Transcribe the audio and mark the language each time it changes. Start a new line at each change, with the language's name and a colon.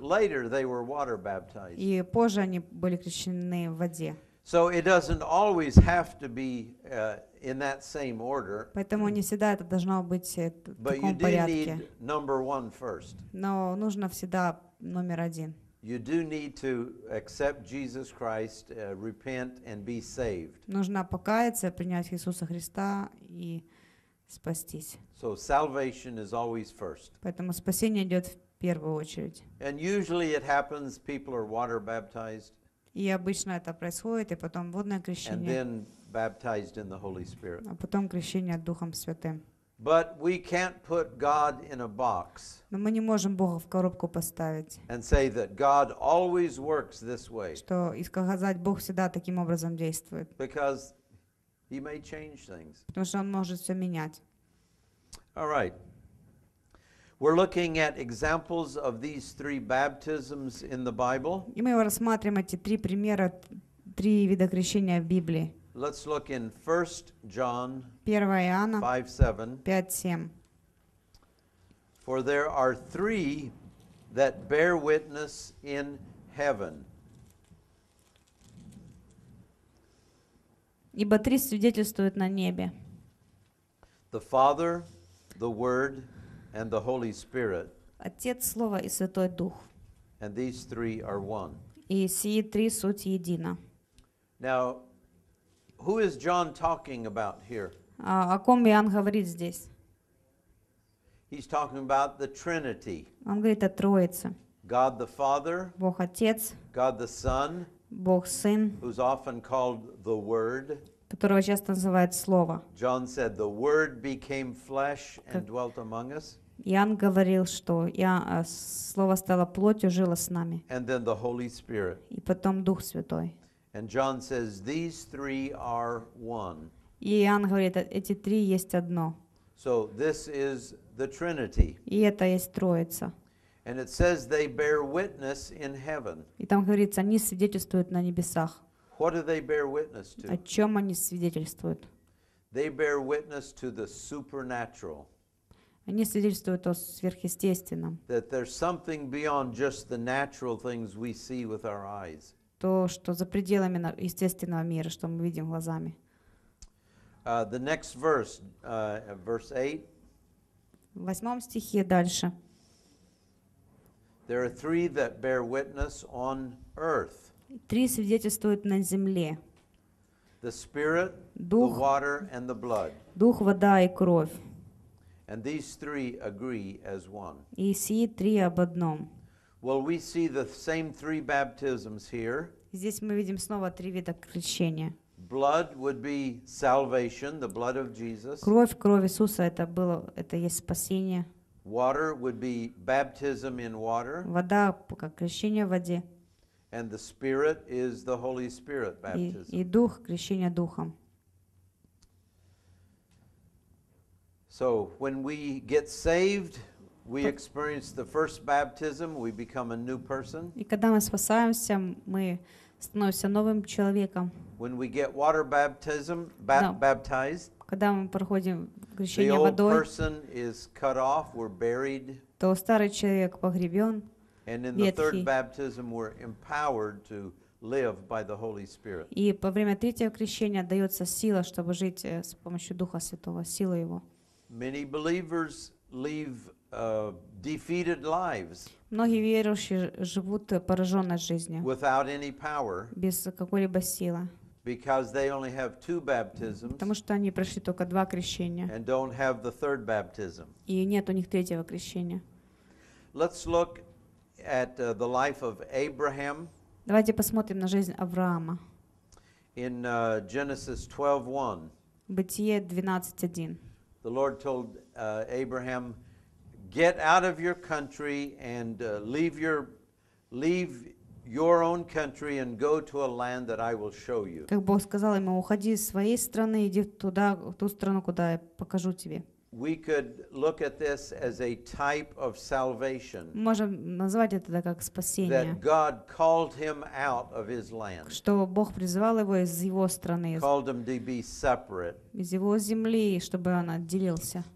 English: And then later they were water baptized.
Russian: И позже они были крещены в воде.
English: So it doesn't always have to be in that same order.
Russian: Поэтому не всегда это должно быть в таком порядке.
English: But you do need number one first.
Russian: Но нужно всегда номер один.
English: You do need to accept Jesus Christ, repent and be saved.
Russian: Нужно покаяться, принять Иисуса Христа и спастись.
English: So salvation is always first.
Russian: Поэтому спасение идет в первую очередь.
English: And usually it happens, people are water baptized.
Russian: И обычно это происходит, и потом водное крещение.
English: In the Holy Spirit.
Russian: А потом крещение Духом Святым.
English: But we can't put God in a box.
Russian: Но мы не можем Бога в коробку поставить.
English: And say that God always works this way.
Russian: Что и сказать, Бог всегда таким образом действует.
English: Because he may change things.
Russian: Потому что он может все менять.
English: All right. We're looking at examples of these three baptisms in the Bible.
Russian: И мы рассматриваем эти три примера, три вида крещения в Библии.
English: Let's look in 1 John 5:7. For there are three that bear witness in heaven.
Russian: Ибо три свидетельствуют на небе.
English: The Father, the Word, and the Holy Spirit.
Russian: Отец, Слово и Святой Дух.
English: And these three are one.
Russian: И сии три суть едина.
English: Now, who is John talking about here?
Russian: О ком Иоанн говорит здесь?
English: He's talking about the Trinity.
Russian: Он говорит о Троице.
English: God the Father.
Russian: Бог Отец.
English: God the Son.
Russian: Бог Сын.
English: Who's often called the Word.
Russian: Которого часто называют Слово.
English: John said the Word became flesh and dwelt among us.
Russian: Иоанн говорил, что Слово стало плотью, жило с нами.
English: And then the Holy Spirit.
Russian: И потом Дух Святой.
English: And John says these three are one.
Russian: И Иоанн говорит, эти три есть одно.
English: So this is the Trinity.
Russian: И это есть Троица.
English: And it says they bear witness in heaven.
Russian: И там говорится, они свидетельствуют на небесах.
English: What do they bear witness to?
Russian: О чем они свидетельствуют?
English: They bear witness to the supernatural.
Russian: Они свидетельствуют о сверхъестественном.
English: That there's something beyond just the natural things we see with our eyes.
Russian: То, что за пределами естественного мира, что мы видим глазами.
English: The next verse, verse 8.
Russian: В восьмом стихе дальше.
English: There are three that bear witness on earth.
Russian: Три свидетельствуют на земле.
English: The Spirit,
Russian: Дух,
English: the water, and the blood.
Russian: Дух, вода и кровь.
English: And these three agree as one.
Russian: И сии три об одном.
English: Well, we see the same three baptisms here.
Russian: Здесь мы видим снова три вида крещения.
English: Blood would be salvation, the blood of Jesus.
Russian: Кровь, кровь Иисуса, это было, это есть спасение.
English: Water would be baptism in water.
Russian: Вода, как крещение в воде.
English: And the Spirit is the Holy Spirit baptism.
Russian: И Дух, крещение Духом.
English: So, when we get saved, we experience the first baptism, we become a new person.
Russian: И когда мы спасаемся, мы становимся новым человеком.
English: When we get water baptism, baptized,
Russian: когда мы проходим крещение водой,
English: the old person is cut off, we're buried.
Russian: То старый человек погребен.
English: And in the third baptism, we're empowered to live by the Holy Spirit.
Russian: И во время третьего крещения дается сила, чтобы жить с помощью Духа Святого, сила Его.
English: Many believers leave defeated lives.
Russian: Многие верующие живут пораженной жизнью.
English: Without any power.
Russian: Без какой-либо силы.
English: Because they only have two baptisms.
Russian: Потому что они прошли только два крещения.
English: And don't have the third baptism.
Russian: И нет у них третьего крещения.
English: Let's look at the life of Abraham.
Russian: Давайте посмотрим на жизнь Авраама.
English: In Genesis 12:1.
Russian: Бытие 12:1.
English: The Lord told Abraham, get out of your country and leave your own country and go to a land that I will show you.
Russian: Как Бог сказал ему, уходи из своей страны, иди туда, в ту страну, куда я покажу тебе.
English: We could look at this as a type of salvation.
Russian: Можем назвать это как спасение.
English: That God called him out of his land.
Russian: Что Бог призвал его из его страны.
English: Called him to be separate.
Russian: Из его земли, чтобы он отделился.